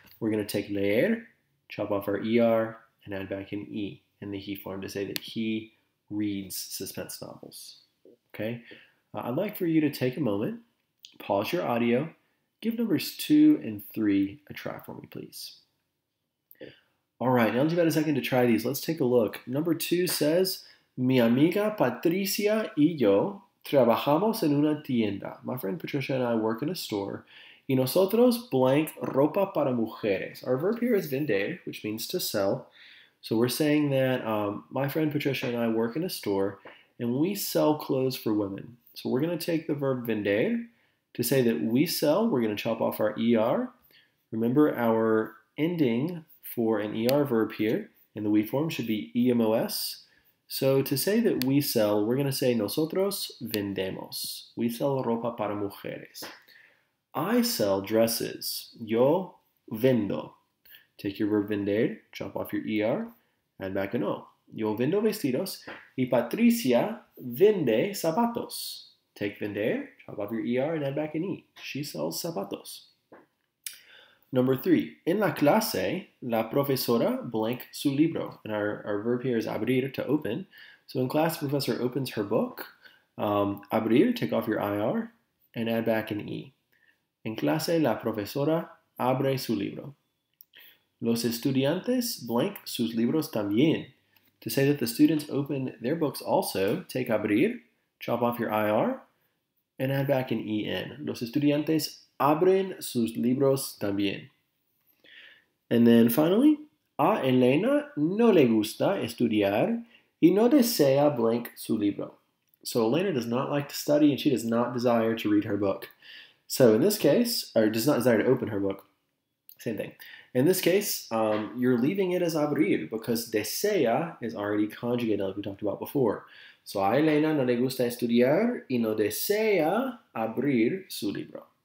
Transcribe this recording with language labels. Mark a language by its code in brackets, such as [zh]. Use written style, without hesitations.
[en] We're going to take leer, chop off our ER, and add back an E in the he form to say that he reads suspense novels. Okay? I'd like for you to take a moment, pause your audio, give numbers 2 and 3 a try for me, please. All right, now that you've had a second to try these, let's take a look. [es] Number 2 says, mi amiga Patricia y yo trabajamos en una tienda. [en] My friend Patricia and I work in a store. Y nosotros blank ropa para mujeres. Our verb here is vender, which means to sell. So we're saying that my friend Patricia and I work in a store and we sell clothes for women. So we're going to take the verb vender to say that we sell. We're going to chop off our ER. Remember, our ending for an ER verb here in the we form should be emos. So to say that we sell, we're going to say nosotros vendemos. We sell ropa para mujeres. I sell dresses. Yo vendo. Take your verb vender, chop off your ER, add back an O. [es] Yo vendo vestidos y Patricia vende zapatos. [en] Take vender, chop off your ER, and add back an E. She sells zapatos. [es] Number 3, en la clase, la profesora blank su libro. [en] And our verb here is abrir, to open. So in class, the professor opens her book. Abrir, take off your IR, and add back an E. [es] En clase, la profesora abre su libro. Los estudiantes blank sus libros también. [en] To say that the students open their books also, take abrir, chop off your IR, and add back an EN. [es] Los estudiantes abren sus libros también. And then finally, a Elena no le gusta estudiar y no desea blank su libro. [en] So Elena does not like to study and she does not desire to read her book. So in this case, or does not desire to open her book. Same thing. In this case, you're leaving it as abrir because desea is already conjugated like we talked about before. [es] So a Elena no le gusta estudiar y no desea abrir su libro.